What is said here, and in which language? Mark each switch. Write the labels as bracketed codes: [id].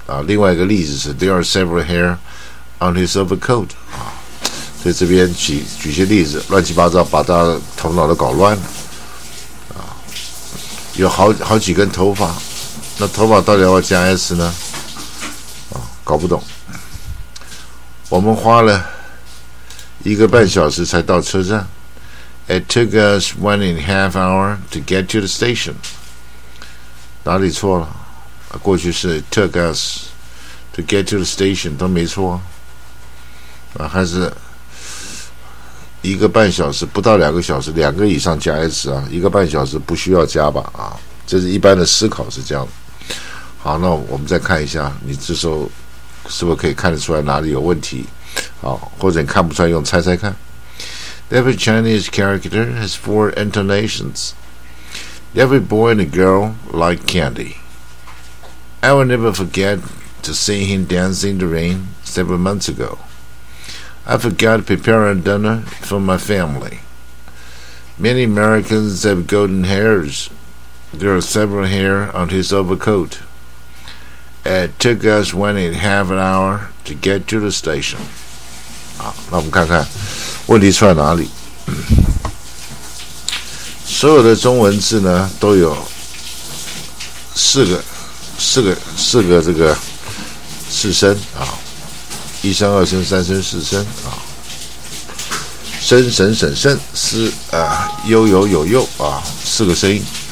[zh] 另外一个例子是 [en] There are several hair on his overcoat. [zh] 所以这边举些例子，乱七八糟，把大家头脑都搞乱了。有好几根头发，那头发到底要加 s 呢？搞不懂。我们花了一个半小时才到车站。 [en] It took us one and a half hour to get to the station. [zh] 哪里错了？过去是 [en] took us to get to the station， [zh] 都没错。还是一个半小时，不到两个小时，两个以上加 s 啊，一个半小时不需要加吧？这是一般的思考是这样。好，那我们再看一下，你这时候是不是可以看得出来哪里有问题？好，或者你看不出来用猜猜看。 [en] Every Chinese character has four intonations. Every boy and girl like candy. I will never forget to see him dancing in the rain several months ago. I forgot preparing dinner for my family. Many Americans have golden hairs. There are several hair on his overcoat. It took us one and a half an hour to get to the station. [zh] 好，那我们看看问题出在哪里。所有的中文字呢都有四个这个四声啊，一声、二声、三声、四声啊，声声声声是啊，悠悠有悠啊，四个声音。